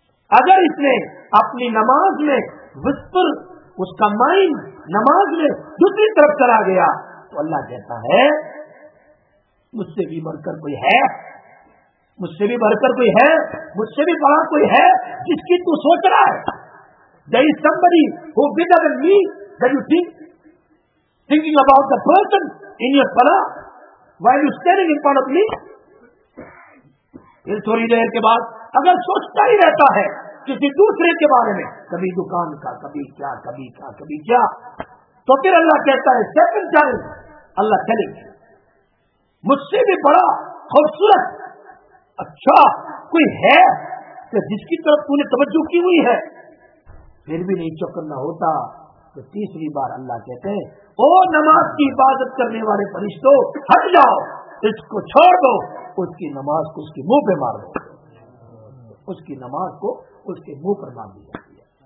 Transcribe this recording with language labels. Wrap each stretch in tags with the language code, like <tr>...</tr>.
<ur>اگر اس نے اپنی نماز میں وسطر، اس کا مائنڈ نماز میں دوسری طرف چلا گیا، تو اللہ کہتا ہے مجھ سے بھی بڑھ کر کوئی ہے، مجھ سے بھی بڑھ کر کوئی ہے، مجھ سے بھی بڑا کوئی ہے جس کی تو سوچ رہا ہے.</ur> <en>There is somebody who bigger than me that you think, thinking about the person in your pala while you standing in front of me.</en> <ur>پھر تھوڑی دیر کے بعد اگر سوچتا ہی رہتا ہے کسی دوسرے کے بارے میں، کبھی دکان کا، کبھی کیا، کبھی کیا، کبھی کیا، تو پھر اللہ کہتا ہے سیکنڈ ٹائم اللہ چلے گی، مجھ سے بھی بڑا خوبصورت اچھا کوئی ہے کہ جس کی طرف تو نے توجہ کی ہوئی ہے، پھر بھی نہیں چوکنا ہوتا، تو تیسری بار اللہ کہتے ہیں او نماز کی عبادت کرنے والے فرشتوں ہٹ جاؤ، اس کو چھوڑ دو، اس کی نماز کو اس کے منہ پہ مار دو، اس کی نماز کو اس کے منہ پر مار دی جاتی ہے.</ur>